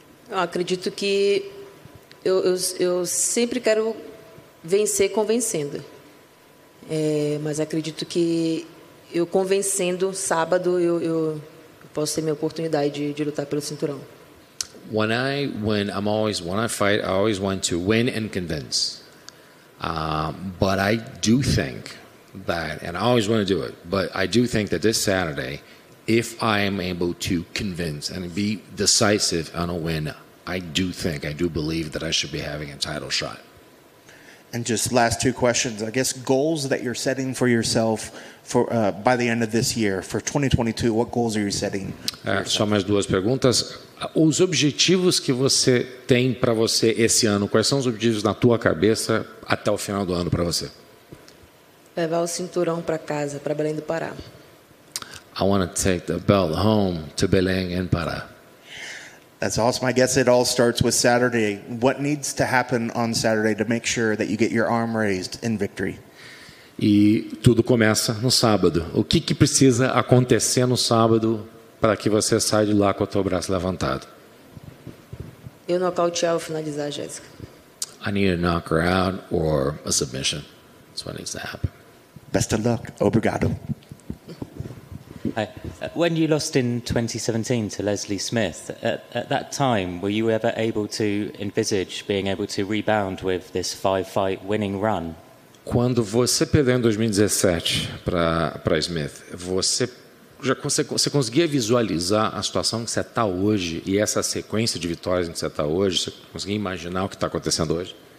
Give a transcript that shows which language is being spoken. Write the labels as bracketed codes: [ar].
[pt] Eu acredito que eu sempre quero vencer convencendo. Mas acredito que eu convencendo sábado eu posso ter minha oportunidade de lutar pelo cinturão. [en] When I win, I'm always when I fight, I always want to win and convince. But I do think that, and I always want to do it, but I do think that this Saturday, if I am able to convince and be decisive on a win, I do think, I do believe that I should be having a title shot. And just last two questions, I guess goals that you're setting for yourself for by the end of this year, for 2022, what goals are you setting? [pt] Só mais duas perguntas. Os objetivos que você tem para você esse ano, quais são os objetivos na tua cabeça até o final do ano para você? Levar o cinturão para casa, para Belém do Pará. [en] I want to take the belt home to Belém and Pará. That's awesome. I guess it all starts with Saturday. What needs to happen on Saturday to make sure that you get your arm raised in victory? [pt] E tudo começa no sábado. O que que precisa acontecer no sábado para que você saia de lá com o teu braço levantado? Eu nocautear ou finalizar, Jéssica. [en] I need to knock her out or a submission. That's what needs to happen. Best of luck. [pt] Obrigado. [en] Hi. When you lost in 2017 to Leslie Smith, at that time, were you ever able to envisage being able to rebound with this five-fight winning run? [pt] Quando você perdeu em 2017 para Smith, você conseguia visualizar a situação que você está hoje e essa sequência de vitórias em que você está hoje? Você conseguia imaginar o que está acontecendo hoje?